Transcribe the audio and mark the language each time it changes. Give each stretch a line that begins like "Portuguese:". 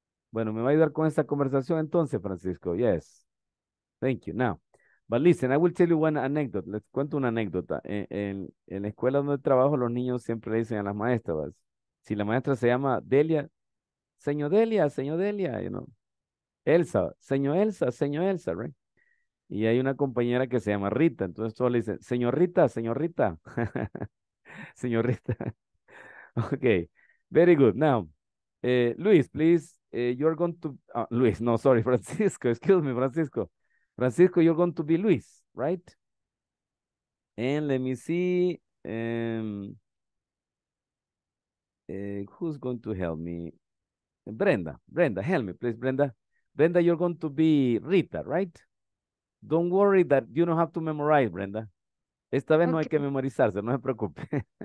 Spanish: Bueno, me va a ayudar con esta conversación entonces, Francisco.
English: Yes. Thank you. Now, but listen, I will tell you one anecdote.
Spanish: Les cuento una anécdota. En la escuela donde trabajo, los niños siempre le dicen a las maestras, si la maestra se llama Delia, señor Delia, señor Delia,
English: you know.
Spanish: Elsa, señor Elsa, señor Elsa, right? Y hay una compañera que se llama Rita, entonces todos le dicen, señorita, señorita, señorita.
English: Okay, very good. Now, Luis, please, you're going to, Luis, no, sorry, Francisco, excuse me, Francisco. Francisco, you're going to be Luis, right? And let me see, who's going to help me? Brenda, Brenda, help me, please, Brenda. Brenda, you're going to be Rita, right? Don't worry that you don't have to memorize, Brenda.
Spanish: Esta vez okay. No hay que memorizarse, no se preocupe.